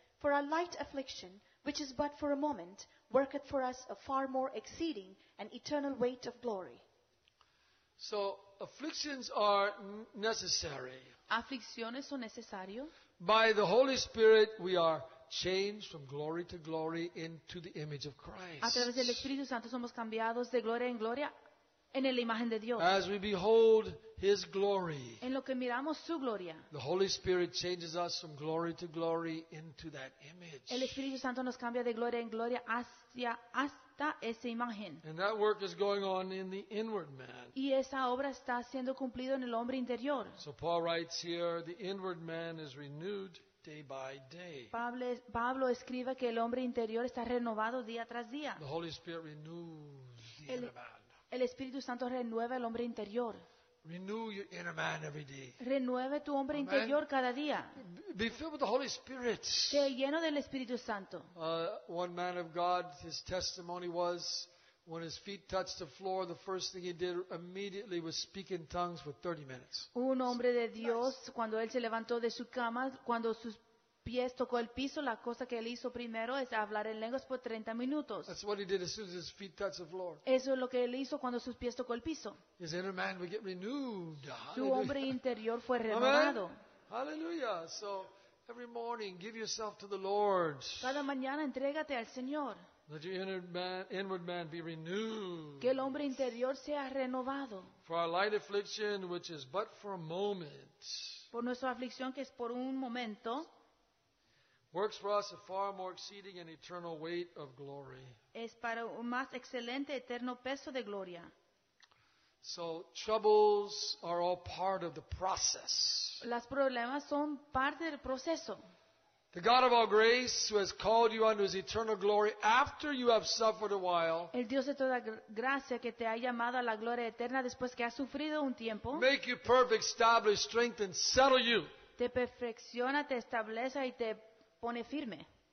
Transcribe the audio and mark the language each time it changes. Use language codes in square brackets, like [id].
[en] For our light affliction, which is but for a moment, worketh for us a far more exceeding and eternal weight of glory. So, afflictions are necessary. [es] Aflicciones son necesario. [en] By the Holy Spirit, we are changed from glory to glory into the image of Christ. [es] A través del Espíritu Santo somos cambiados de gloria en gloria en la imagen de Dios. [en] As we behold His glory. [es] En lo que miramos su gloria. [en] The Holy Spirit changes us from glory to glory into that image. [es] El Espíritu Santo nos cambia de gloria en gloria hasta esa imagen. [en] And that work is going on in the inward man. [es] Y esa obra está siendo cumplida en el hombre interior. [en] So Paul writes here, the inward man is renewed day by day. [es] Pablo escribe que el hombre interior está renovado día tras día. [en] The Holy Spirit renews the inner man. [es] El Espíritu Santo renueva el hombre interior. [en] Renew your inner man every day. [es] Renueve tu hombre interior cada día. [en] Be filled with the Holy Spirit. [es] Esté lleno del Espíritu Santo. [en] One man of God, his testimony was, when his feet touched the floor, the first thing he did immediately was speak in tongues for 30 minutes. [es] Un hombre de Dios, cuando él se levantó de su cama, cuando sus pies tocó el piso, la cosa que él hizo primero es hablar en lenguas por 30 minutos. [en] That's what he did as soon as his feet touched the floor. [es] Eso es lo que él hizo cuando sus pies tocó el piso. [en] His inner man would get renewed. Hallelujah. [es] Su hombre interior fue renovado. [en] Hallelujah. So every morning give yourself to the Lord. [es] Cada mañana entrégate al Señor. [en] Let your inward man be renewed. [es] Que el hombre interior sea renovado. [en] For our light affliction, which is but for a moment. [es] Por nuestra aflicción que es por un momento. [en] works for us a far more exceeding and eternal weight of glory. [es] Es para un más excelente eterno peso de gloria. [en] So troubles are all part of the process. [es] Las problemas son parte del proceso. [en] The God of all grace, who has called you unto His eternal glory after you have suffered a while, [es] el Dios de toda gracia que te ha llamado a la gloria eterna después que has sufrido un tiempo, [en] make you perfect, establish, strengthen, settle you. [es] Te perfecciona, te establece y te pone firme.